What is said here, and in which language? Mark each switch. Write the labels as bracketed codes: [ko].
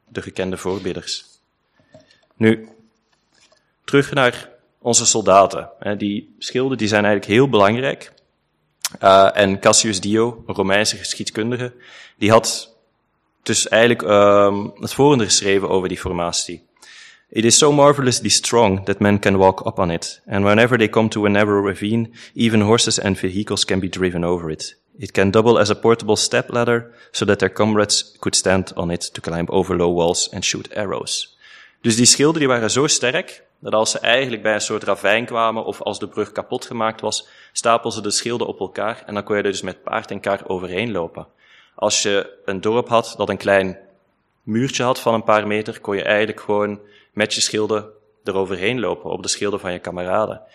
[nl] De gekende voorbidders. Nu, terug naar onze soldaten. Die schilden die zijn eigenlijk heel belangrijk. En Cassius Dio, een Romeinse geschiedkundige, die had dus eigenlijk het volgende geschreven over die formatie. [en] It is so marvelously strong that men can walk up on it. And whenever they come to a narrow ravine, even horses and vehicles can be driven over it. It can double as a portable step ladder, so that their comrades could stand on it to climb over low walls and shoot arrows. [nl] Dus die schilden die waren zo sterk, dat als ze eigenlijk bij een soort ravijn kwamen, of als de brug kapot gemaakt was, stapelden ze de schilden op elkaar, en dan kon je er dus met paard en kar overheen lopen. Als je een dorp had dat een klein muurtje had van een paar meter, kon je eigenlijk gewoon met je schilden eroverheen lopen, op de schilden van je kameraden.